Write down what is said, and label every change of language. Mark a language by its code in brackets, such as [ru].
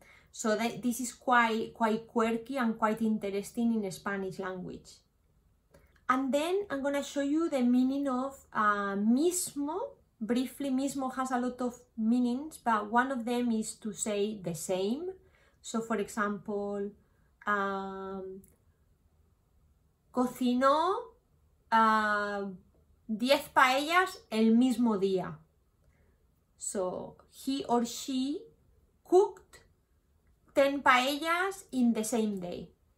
[en] So this is quite quirky and quite interesting in Spanish language. And then I'm gonna show you the meaning of mismo, briefly mismo has a lot of meanings, but one of them is to say the same. [es] So for example, cocinó 10 paellas el mismo día. [en] So he or she cooked 10 paellas in the same day.